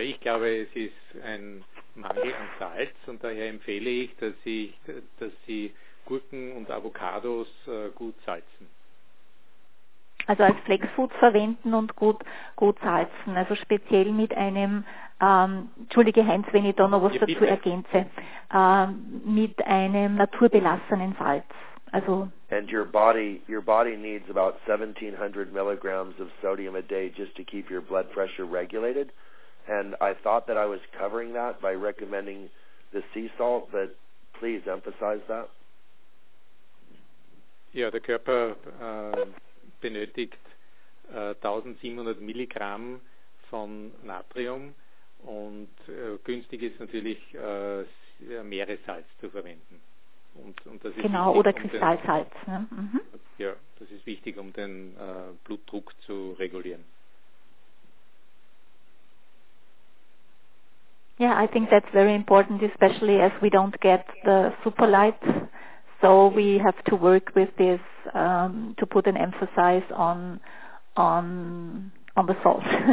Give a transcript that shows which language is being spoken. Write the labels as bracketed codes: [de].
[de] ich glaube, es ist ein Mangel an Salz und daher empfehle ich, dass sie Gurken und Avocados gut salzen. Also als Flexfood verwenden und gut salzen. Also speziell mit einem entschuldige Heinz, wenn ich da noch was dazu ergänze. Mit einem naturbelassenen Salz. Also, [en] and your body needs about 1700 milligrams of sodium a day just to keep your blood pressure regulated. And I thought that I was covering that by recommending the sea salt, but please emphasize that. [de] Ja, der Körper benötigt 1700 Milligramm von Natrium und günstig ist natürlich Meeressalz zu verwenden. Und das ist genau, oder Kristallsalz. Ne? Mhm. Ja, das ist wichtig, um den Blutdruck zu regulieren. [en] Yeah, I think that's very important, especially as we don't get the super light, so we have to work with this to put an emphasis on the salt.